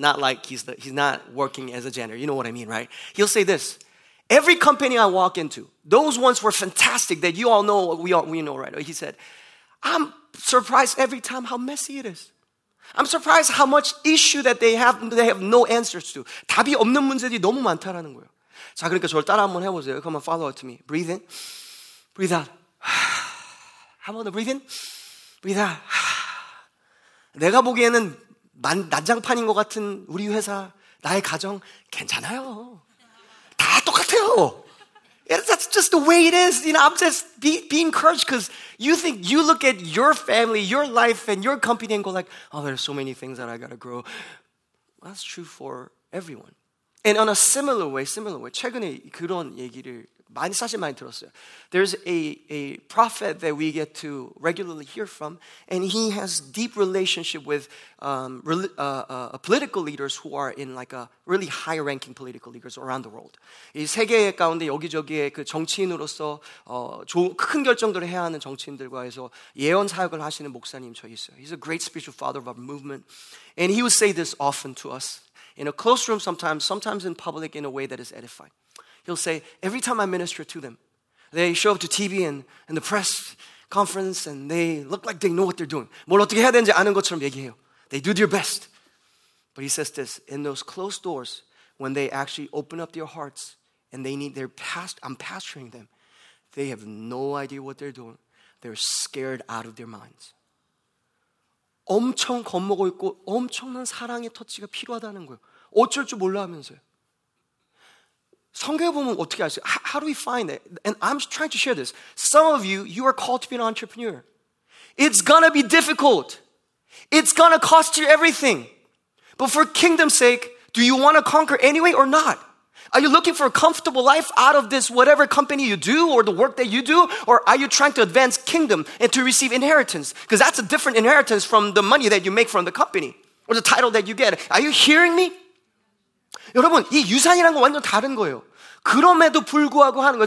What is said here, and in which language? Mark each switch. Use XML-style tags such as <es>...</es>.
<en>Not like he's not working as a janitor. You know what I mean, right? He'll say this. Every company I walk into, those ones were fantastic that you all know, we know, right? He said, I'm surprised every time how messy it is. I'm surprised how much issue that they have no answers to.</en> <ko>답이 없는 문제들이 너무 많다라는 거예요. 자, 그러니까 저를 따라 한번 해보세요.</ko> <en>Come on, follow up to me. Breathe in. Breathe out.</en> <ko>한 번 더</ko> <en>breathe in. Breathe out.</en> <ko>내가 보기에는 난장판인 것 같은 우리 회사, 나의 가정, 괜찮아요. 다 똑같아요.</ko> <en>That's just the way it is. You know, I'm just be encouraged because you think you look at your family, your life, and your company and go like, oh, there are so many things that I got to grow. That's true for everyone. And on a similar way,</en> <ko>최근에 그런 얘기를 많이 사실 많이 들었어요.</ko> <en>There's a prophet that we get to regularly hear from, and he has deep relationship with political leaders who are in like a really high-ranking political leaders around the world.</en> <ko>이 세계 가운데 여기저기에 그 정치인으로서 큰 결정들을 해야 하는 정치인들과 해서 예언 사역을 하시는 목사님 저 있어요.</ko> <en>He's a great spiritual father of our movement, and he would say this often to us in a close room, sometimes in public, in a way that is edifying. He'll say, every time I minister to them, they show up to TV and the press conference and they look like they know what they're doing.</en> <ko>뭘 어떻게 해야 되는지 아는 것처럼 얘기해요.</ko> <en>They do their best. But he says this, in those closed doors, when they actually open up their hearts and they need their past, I'm pastoring them, they have no idea what they're doing. They're scared out of their minds.</en> <ko>엄청 겁먹어 있고 엄청난 사랑의 터치가 필요하다는 거예요. 어쩔 줄 몰라 하면서요. 성경 보면 어떻게 알 수 있어요?</ko> <en>How do we find it? And I'm trying to share this. Some of you, you are called to be an entrepreneur. It's gonna be difficult. It's gonna cost you everything. But for kingdom's sake, do you want to conquer anyway or not? Are you looking for a comfortable life out of this whatever company you do or the work that you do? Or are you trying to advance kingdom and to receive inheritance? Because that's a different inheritance from the money that you make from the company or the title that you get. Are you hearing me?</en> <ko>여러분, 이 유산이라는 건 완전 다른 거예요. 그럼에도 불구하고 하는 거예요.</ko>